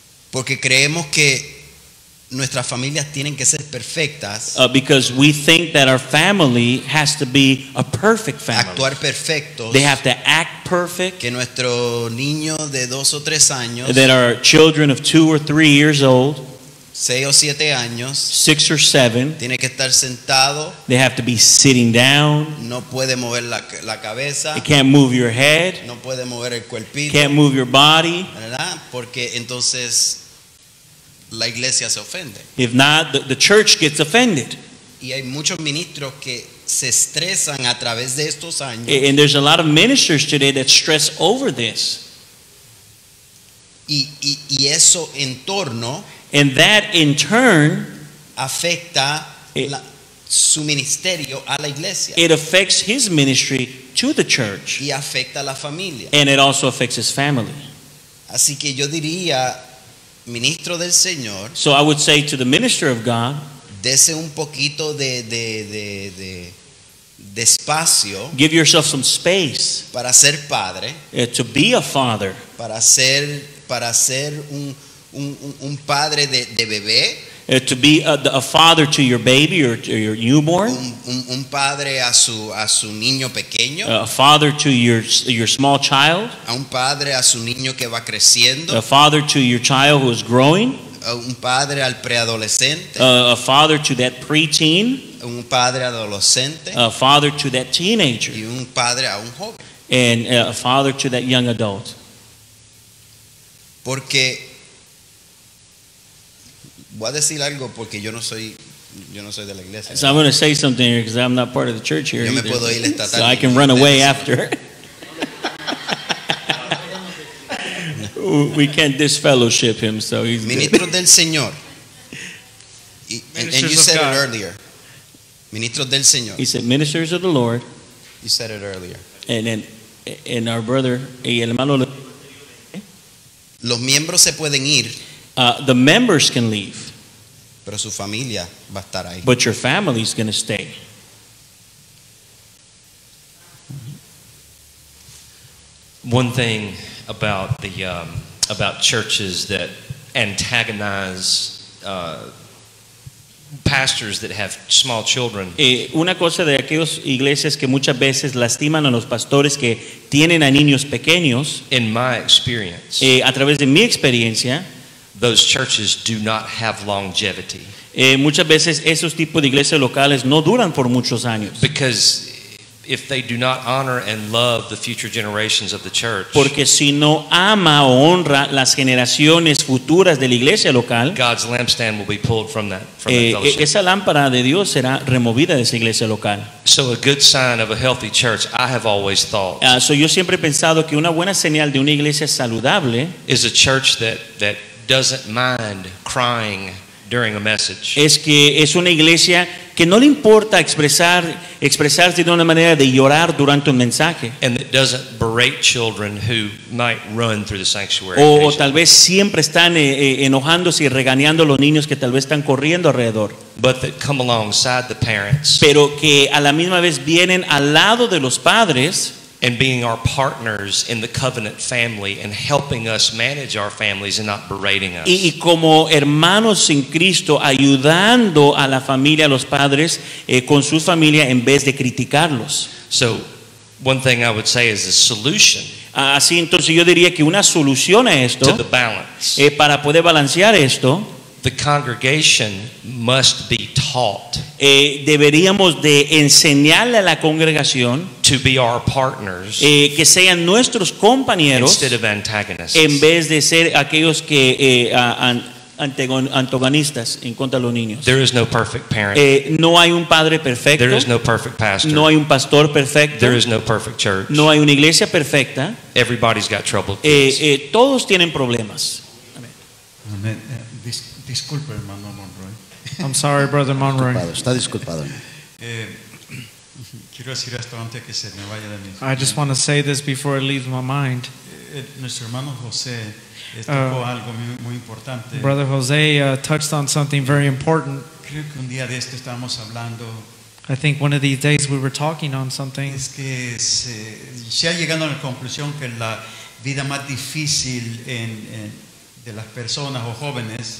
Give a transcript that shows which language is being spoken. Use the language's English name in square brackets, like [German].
[Spanish] Porque creemos que nuestras familias tienen que ser perfectas. [English] Because we think that our family has to be a perfect family. [Spanish] Actuar perfectos. [English] They have to act perfect. [Spanish] Que nuestro niño de dos o tres años. [English] That our children of 2 or 3 years old. 6 or 7 years. 6 or 7. [Spanish] Tiene que estar sentado. [English] They have to be sitting down. [Spanish] No puede mover la cabeza. [English] It can't move your head. [Spanish] No puede mover el cuerpito. [English] Can't move your body. [Spanish] ¿Verdad? Porque entonces la iglesia se ofende. [English] If not, the church gets offended. [Spanish] Y hay muchos ministros que se estresan a través de estos años. [English] And there's a lot of ministers today that stress over this. [Spanish] Y eso en torno. [English] And that in turn [Spanish] afecta su ministerio a la iglesia. [English] It affects his ministry to the church. [Spanish] Y afecta la familia. [English] And it also affects his family. [Spanish] Así que yo diría, ministro del Señor, [English] so I would say to the minister of God, [Spanish] dese un poquito de espacio, [English] give yourself some space [Spanish] para ser padre, [English] to be a father, [Spanish] para ser un padre de bebé, [English] to be a father to your baby or to your newborn, [Spanish] un padre a su niño pequeño, [English] a father to your small child, [Spanish] a un padre a su niño que va creciendo, [English] a father to your child who is growing, [Spanish] un padre al preadolescente. [English] A father to that preteen. [Spanish] Un padre adolescente. [English] A father to that teenager. [Spanish] Y un padre a un joven. [English] And a father to that young adult. [Spanish] Porque voy a decir algo porque yo no soy, yo no soy de la iglesia. [English] So I'm going to say something here because I'm not part of the church here. [Spanish] Yo me puedo ir esta tarde. [English] So I can run away after. We can't disfellowship him, so he's [Spanish] ministros del Señor. [English] And you said it earlier. [Spanish] Ministros del Señor. [English] He said ministers of the Lord. You said it earlier. And our brother [Spanish] y el hermano. Los miembros se pueden ir. [English] The members can leave. [Spanish] Pero su familia va a estar ahí. [English] But your family is going to stay. One thing about the about churches that antagonize pastors that have small children. [Spanish] Una cosa de aquellas iglesias que muchas veces lastiman a los pastores que tienen a niños pequeños. [English] In my experience. [Spanish] A través de mi experiencia. [English] Those churches do not have longevity. [Spanish] Muchas veces esos tipos de iglesias locales no duran por muchos años. [English] Because if they do not honor and love the future generations of the church, [Spanish] porque si no ama o honra las generaciones futuras de la iglesia local, [English] God's lampstand will be pulled from that, from that fellowship. [Spanish] Esa lámpara de Dios será removida de esa iglesia local. [English] So a good sign of a healthy church, I have always thought. [Spanish] So yo siempre he pensado que una buena señal de una iglesia saludable [English] is a church that doesn't mind crying during a message. [Spanish] Es que es una iglesia que no le importa expresarse de una manera de llorar durante un mensaje. [English] And it doesn't berate children who might run through the sanctuary. [Spanish] O tal vez siempre están enojándose y regañando a los niños que tal vez están corriendo alrededor. [English] But that come alongside the parents. [Spanish] Pero que a la misma vez vienen al lado de los padres. [English] And being our partners in the covenant family and helping us manage our families and not berating us. [Spanish] Y como hermanos en Cristo ayudando a la familia, a los padres con su familia en vez de criticarlos. [English] So one thing I would say is a solution. [Spanish] Así entonces yo diría que una solución a esto, [English] to the balance, [Spanish] para poder balancear esto, [English] the congregation must be taught. [Spanish] Deberíamos de enseñarle a la congregación [English] to be our partners, [Spanish] que sean nuestros compañeros, [English] instead of antagonists, [Spanish] en vez de ser aquellos que antagonistas en contra de los niños. [English] There is no perfect parent. [Spanish] No hay un padre perfecto. [English] There is no perfect pastor. [Spanish] No hay un pastor perfecto. [English] There is no perfect church. [Spanish] No hay una iglesia perfecta. [English] Everybody's got trouble. [Spanish] Todos tienen problemas. Amen. Disculpe, hermano Monroy. [English] I'm sorry, brother Monroy. [Spanish] Está disculpado. Quiero decir esto antes que se me vaya de mi. [English] I just want to say this before it leaves my mind. [Spanish] Nuestro hermano José tocó algo muy importante. [English] Brother José touched on something very important. [Spanish] Creo que un día de esto estábamos hablando. [English] I think one of these days we were talking on something. [Spanish] Es que se ha llegado a la conclusión que la vida más difícil en de las personas o jóvenes.